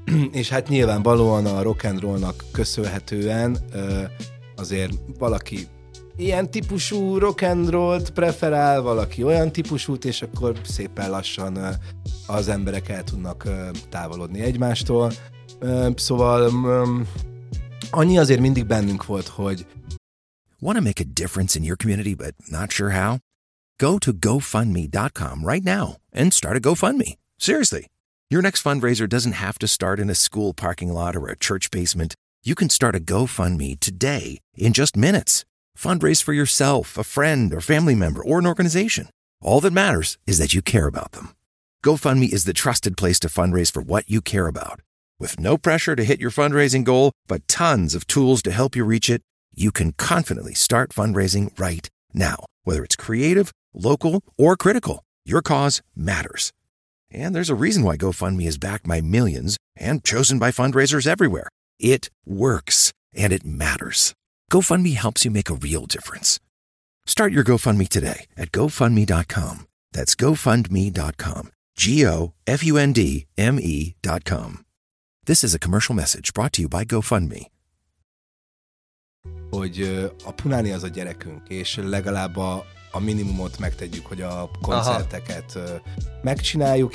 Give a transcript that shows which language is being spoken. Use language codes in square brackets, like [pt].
[hu] És hát nyilvánvalóan a rock'n'rollnak köszönhetően azért valaki ilyen típusú rock'n'rollt preferál, valaki olyan típusút, és akkor szépen lassan az emberek el tudnak távolodni egymástól. Szóval annyi azért mindig bennünk volt, hogy [en] want to make a difference in your community, but not sure how? Go to GoFundMe.com right now and start a GoFundMe. Seriously, Your next fundraiser doesn't have to start in a school parking lot or a church basement. You can start a GoFundMe today in just minutes. Fundraise for yourself, a friend, or family member, or an organization. All that matters is that you care about them. GoFundMe is the trusted place to fundraise for what you care about. With no pressure to hit your fundraising goal, but tons of tools to help you reach it, you can confidently start fundraising right now. Whether it's creative, local, or critical, your cause matters. And there's a reason why GoFundMe is backed by millions and chosen by fundraisers everywhere. It works, and it matters. GoFundMe helps you make a real difference. Start your GoFundMe today at GoFundMe.com. That's GoFundMe.com. GoFundMe.com. This is a commercial message brought to you by GoFundMe. [hu] Hogy a Punani az a gyerekünk, és legalább a minimumot megtegyük, hogy a koncerteket megcsináljuk.